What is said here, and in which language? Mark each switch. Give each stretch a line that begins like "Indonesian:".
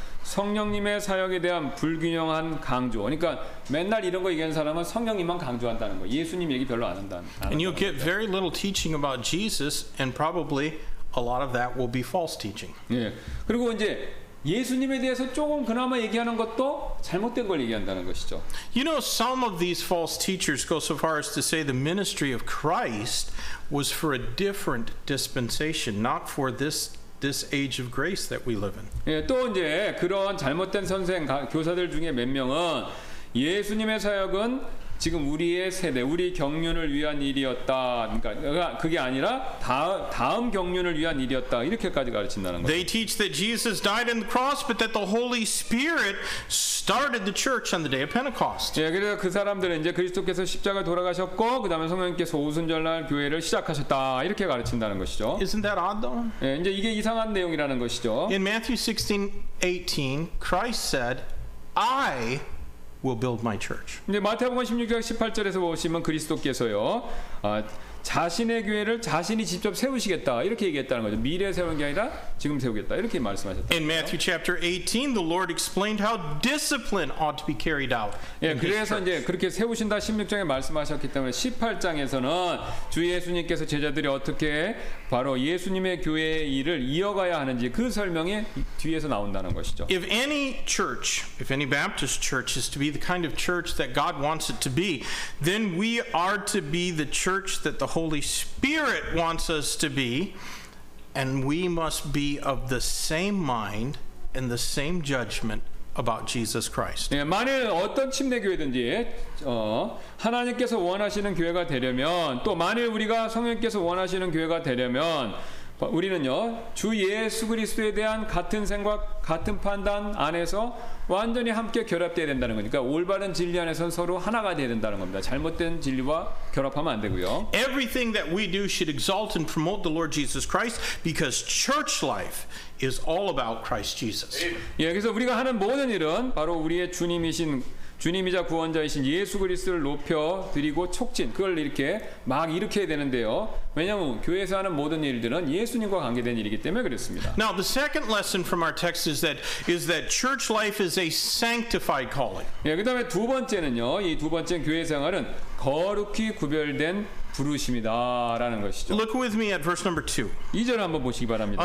Korean: 성령님의 사역에 대한 불균형한 강조 그러니까 맨날 이런 거 얘기하는 사람은 성령님만 강조한다는 거 예수님 얘기 별로 안 한다는 거
English: And you'll get very little teaching about Jesus and probably a lot of that will be false teaching.
Korean: 예. 그리고 이제 예수님에 대해서 조금 그나마 얘기하는 것도 잘못된 걸 얘기한다는 것이죠.
English: You know, some of these false teachers go so far as to say the ministry of Christ was for a different dispensation, not for this age of grace that we live in.
Korean: 예, 또 이제 그런 잘못된 선생 교사들 중에 몇 명은 예수님의 사역은 지금 우리의 세대, 우리 경륜을 위한 일이었다. 그러니까 그게 아니라 다음 경륜을 위한 일이었다. 이렇게까지 가르친다는 거예요.
English: They teach that Jesus died on the cross, but that the Holy Spirit started the church on the day of Pentecost.
Korean: 예, 그래서 그 사람들은 이제 그리스도께서 십자가 돌아가셨고, 그다음에 성령께서 오순절날 교회를 시작하셨다. 이렇게 가르친다는 것이죠.
English: Isn't that odd, though?
Korean: 예, 이제 이게 이상한 내용이라는 것이죠.
English: In Matthew 16:18, Christ said, "I." will build my church.
Korean: 이제 마태복음 16장 18절에서 보시면 그리스도께서요. 아, 자신의 교회를 자신이 직접 세우시겠다. 이렇게 얘기했다는 거죠. 미래에 세우는 게 아니라 지금 세우겠다. 이렇게 말씀하셨다.
English: In Matthew chapter 18, the Lord explained how discipline ought to be carried out.
Korean: 예, 그래서 이제 그렇게 세우신다 16장에 말씀하셨기 때문에 18장에서는 주 예수님께서 제자들이 어떻게 바로 예수님의 교회의 일을 이어가야 하는지 그 설명이 뒤에서 나온다는 것이죠.
English: If any church, if any Baptist church is to be the kind of church that God wants it to be, then we are to be the church that the Holy Spirit wants us to be, and we must be of the same mind and the same judgment about Jesus Christ.
Korean: 예, 만일 어떤 침례 교회든지 하나님께서 원하시는 교회가 되려면 또 만일 우리가 성령께서 원하시는 교회가 되려면 우리는요 주 예수 그리스도에 대한 같은 생각 같은 판단 안에서 완전히 함께 결합돼야 된다는 거니까 올바른 진리 안에서는 서로 하나가 돼야 된다는 겁니다. 잘못된 진리와 결합하면 안 되고요.
English: Everything that we do should exalt and promote the Lord Jesus Christ because church life is all about Christ Jesus.
Korean: 예, 그래서 우리가 하는 모든 일은 바로 우리의 주님이신 주님이자 구원자이신 예수 그리스도를 높여 드리고 촉진 그걸 이렇게 막 일으켜야 되는데요. 왜냐하면 교회에서 하는 모든 일들은 예수님과 관계된 일이기 때문에 그렇습니다.
English: Now the second lesson from our text is that church life is a sanctified calling.
Korean: 예, 그다음에 두 번째는요. 이 두 번째 교회 생활은 거룩히 구별된 부르심이다라는 것이죠.
English: Look with me at verse number 2.
Korean: 2절 한번 보시기 바랍니다.